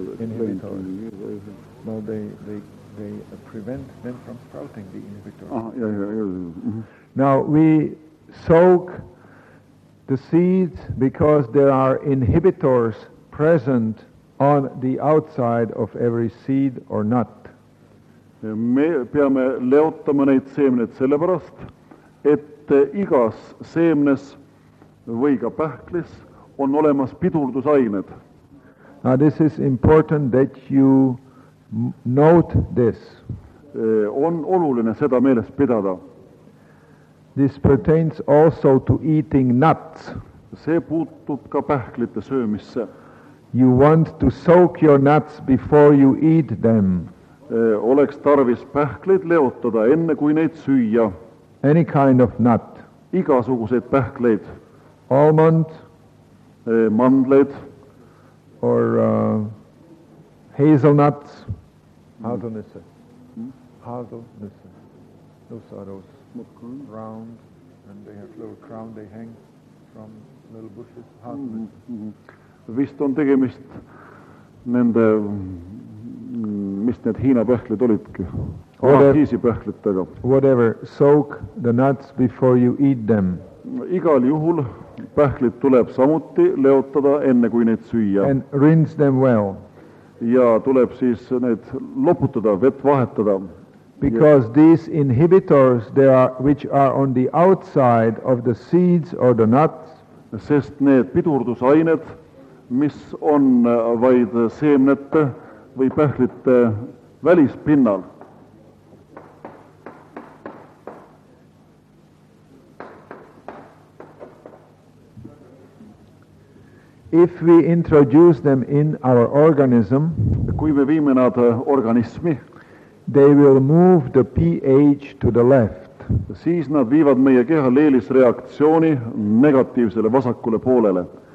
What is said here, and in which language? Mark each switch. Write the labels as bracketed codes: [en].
[en] Inhibitor. No, they prevent them from sprouting, the inhibitor. Yeah. Now, we soak the seeds, because there are inhibitors present on the outside of every seed or nut. [et] Me peame leotama neid seemned sellepärast, et igas seemnes või ka pähklis on olemas pidurdusained. [en] Now this is important that you note this. [et] On oluline seda meeles pidada. [en] This pertains also to eating nuts. [et] See puutub ka pähklite söömisse. [en] You want to soak your nuts before you eat them. [et] Oleks tarvis pähkleid leotada enne kui neid süüa. [en] Any kind of nut. [et] Igasugused pähkleid. [en] Almond. [et] Mandleid. [en] Or hazelnuts. Hazelnüsse. Hazelnüsse. Those are those. Round, and they have little crown, they hang from little bushes. [et] Vist on tegemist nende, mis need Hiina pähklid olidki. Hiisi pähklitega. [en] Whatever, soak the nuts before you eat them. [et] Igal juhul pähklid tuleb samuti leotada enne kui need süüa. [en] And rinse them well. [et] Ja tuleb siis need loputada, vett vahetada. [en] Because these inhibitors, they are, which are on the outside of the seeds or the nuts, [et] sest need pidurdusained, mis on vaid seemnete või pähklite välispinnal. [en] If we introduce them in our organism, [et] kui me viime nad organismi, [en] they will move the pH to the left. [et] Siis nad viivad meie keha leelisreaktsiooni negatiivsele vasakule poolele.